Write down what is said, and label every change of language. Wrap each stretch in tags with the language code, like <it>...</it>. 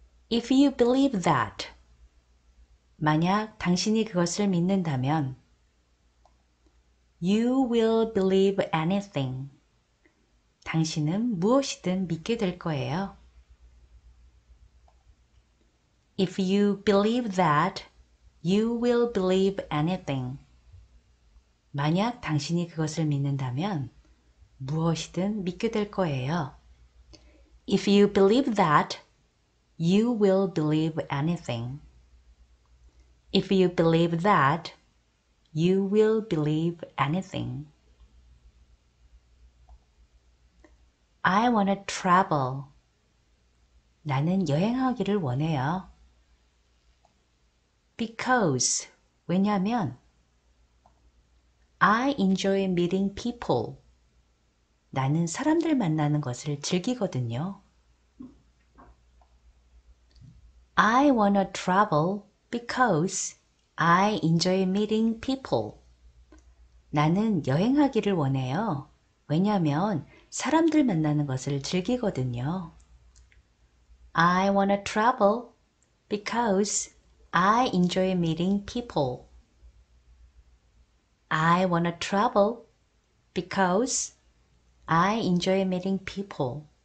<en>If you believe that,</en> <ko>만약 당신이 그것을 믿는다면,</ko> <en>you will believe anything.</en> <ko>당신은 무엇이든 믿게 될 거예요.</ko> <en>If you believe that, you will believe anything.</en> <ko>만약 당신이 그것을 믿는다면, 무엇이든 믿게 될 거예요.</ko> <en>If you believe that, you will believe anything. If you believe that, you will believe anything. I want to travel.</en> <ko>나는 여행하기를 원해요.</ko> <en>Because,</en> <ko>왜냐면,</ko> <en>I enjoy meeting people.</en> <ko>나는 사람들 만나는 것을 즐기거든요.</ko> <en>I wanna travel because I enjoy meeting people.</en> <ko>나는 여행하기를 원해요. 왜냐면 사람들 만나는 것을 즐기거든요.</ko> <en>I wanna travel because I enjoy meeting people. I wanna travel because I enjoy meeting people.</en>